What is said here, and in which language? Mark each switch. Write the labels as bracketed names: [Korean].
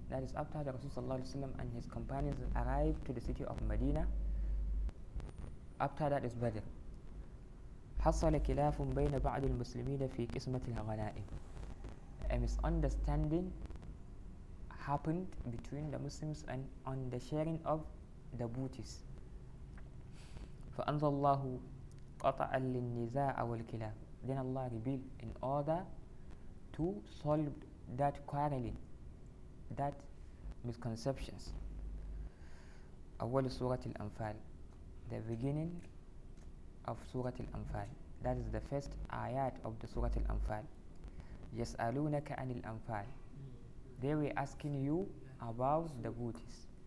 [English] That is after the Rasul Sallallahu Alaihi Wasallam and his companions arrived to the city of Medina. After that is Badr. [Arabic] حصل كلاف بين بعض المسلمين في قسمة الغنائم. [English] A misunderstanding happened between the Muslims and on the sharing of the booties. [Arabic] فأنزل الله قطعا للنزاع والكلاف. [English] Then Allah revealed in order to solve that quarreling, that misconceptions. [Arabic] أول سورة الأنفال. [English] The beginning of Surah Al-Anfal. That is the first ayat of the Surah Al-Anfal. [Arabic] يَسْأَلُونَكَ عَنِ الْأَنْفَالِ [English] They were asking you about the booties.